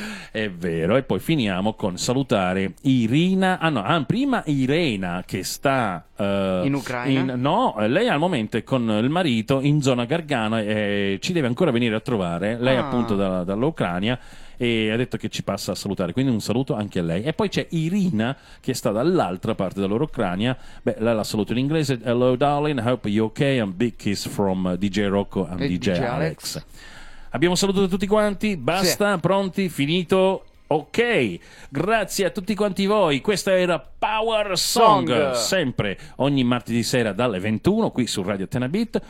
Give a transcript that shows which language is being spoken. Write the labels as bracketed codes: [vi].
[it] È vero, e poi finiamo con salutare Irina, prima Irena che sta... in Ucraina? No, lei al momento è con il marito in zona Gargano e ci deve ancora venire a trovare, lei appunto dall'Ucraina. E ha detto che ci passa a salutare, quindi un saluto anche a lei. E poi c'è Irina che sta dall'altra parte della loro Ucraina. Beh, la saluto in inglese: [en] hello darling, hope you're okay, and big kiss from DJ Rocco and DJ Alex. [it] Abbiamo salutato tutti quanti, basta, sì. Pronti, finito, ok, grazie a tutti quanti voi, questa era Power Song. Sempre ogni martedì sera dalle 21 qui su Radio Tena Beat.